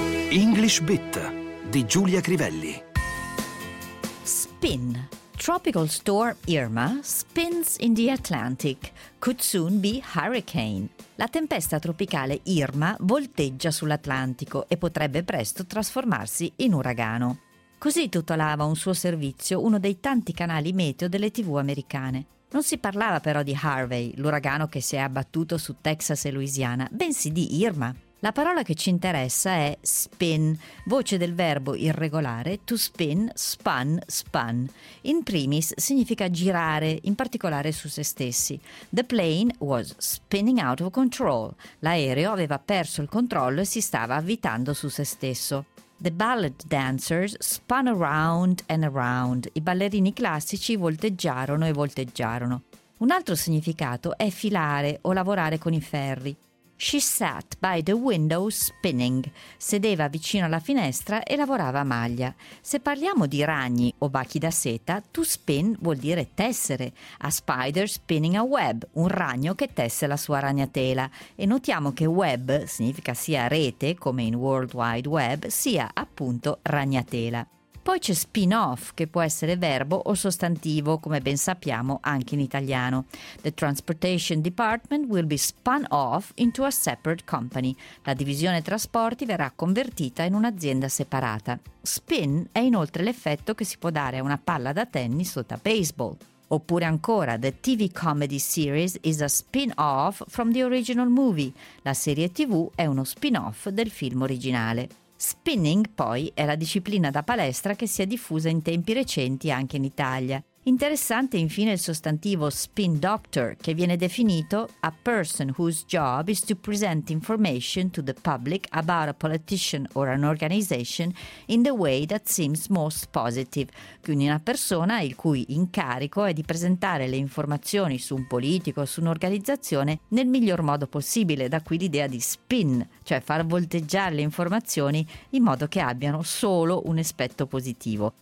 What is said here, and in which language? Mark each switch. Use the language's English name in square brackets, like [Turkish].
[Italian] English Bit di Giulia Crivelli. [English] Spin. Tropical storm Irma spins in the Atlantic. Could soon be hurricane. [Italian] La tempesta tropicale Irma volteggia sull'Atlantico e potrebbe presto trasformarsi in uragano. Così titolava un suo servizio uno dei tanti canali meteo delle TV americane. Non si parlava però di Harvey, l'uragano che si è abbattuto su Texas e Louisiana, bensì di Irma. La parola che ci interessa è spin, voce del verbo irregolare to spin, spun, spun. In primis significa girare, in particolare su se stessi. [English] The plane was spinning out of control. [Italian] L'aereo aveva perso il controllo e si stava avvitando su se stesso. [English] The ballet dancers spun around and around. [Italian] I ballerini classici volteggiarono e volteggiarono. Un altro significato è filare o lavorare con i ferri. [English] She sat by the window spinning. [Italian] Sedeva vicino alla finestra e lavorava a maglia. Se parliamo di ragni o bachi da seta, to spin vuol dire tessere. [English] A spider spinning a web, [Italian] un ragno che tesse la sua ragnatela. E notiamo che web significa sia rete, come in World Wide Web, sia appunto ragnatela. Poi c'è spin-off, che può essere verbo o sostantivo, come ben sappiamo anche in italiano. [English] The Transportation Department will be spun off into a separate company. [Italian] La divisione trasporti verrà convertita in un'azienda separata. Spin è inoltre l'effetto che si può dare a una palla da tennis o da baseball. Oppure ancora, [English] the TV comedy series is a spin-off from the original movie. [Italian] La serie TV è uno spin-off del film originale. Spinning, poi, è la disciplina da palestra che si è diffusa in tempi recenti anche in Italia. Interessante infine il sostantivo spin doctor, che viene definito [English] a person whose job is to present information to the public about a politician or an organization in the way that seems most positive, [Italian] quindi una persona il cui incarico è di presentare le informazioni su un politico o su un'organizzazione nel miglior modo possibile, da qui l'idea di spin, cioè far volteggiare le informazioni in modo che abbiano solo un aspetto positivo.